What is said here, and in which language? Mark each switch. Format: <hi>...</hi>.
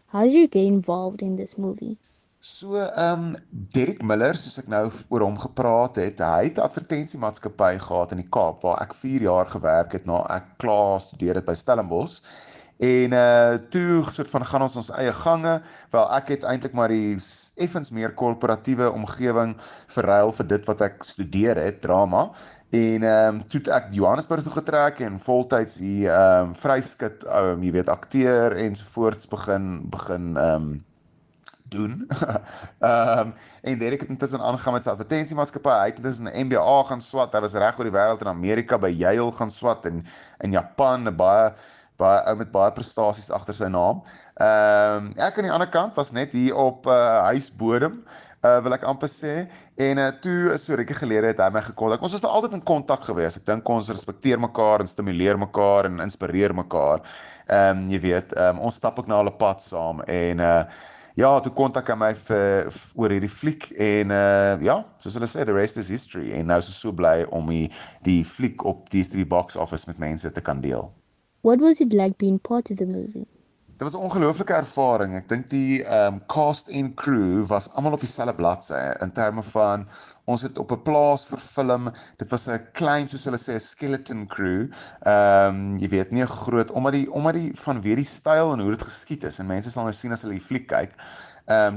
<en>How did you get involved in this movie?</en> <af>So, Derek Miller, soos ek nou oor hom gepraat het, hy het 'n advertensiemaatskappy gehad in die Kaap waar ek 4 jaar gewerk het na ek klaar studeer het by Stellenbosch. En toe soort van gaan ons eie gange. Wel, ek het eintlik maar die effens meer korporatiewe omgewing verruil vir dit wat ek studeer het, drama. En toe ek Johannesburg toe getrek en voltyds hier vryskut, jy weet, akteur ensovoorts begin doen. En Derek het intussen aangegaan met sy advertensiemaatskappy. Hy het intussen 'n MBA gaan swat. Hy was reg oor die wêreld in Amerika by Yale gaan swat en in Japan baie ou met baie prestasies agter sy naam. Ek aan die ander kant was net hier op huisbodem, wil ek amper sê. En toe is so rukkie gelede het hy my gekontak. Ons was al altyd in kontak gewees. Ek dink ons respekteer mekaar en stimuleer mekaar en inspireer mekaar. Jy weet, ons stap ook na hulle pad saam. En ja, toe kontak hy my oor hierdie fliek. En ja, soos hulle sê,</af> <en>the rest is history.</en> <af>En nou is ons so bly om die fliek op die DStv box office met mense te kan deel.</af> <en>What was it like being part of the movie?</en> <af>Dit was 'n ongelooflike ervaring. Ek dink die cast en crew was almal op dieselfde bladsy in terme van ons het op 'n plaas verfilm. Dit was 'n klein, soos hulle sê, 'n skeleton crew. Jy weet nie groot omdat die vanweë die styl en hoe dit geskied is en mense sal nou sien as hulle die fliek kyk.</af>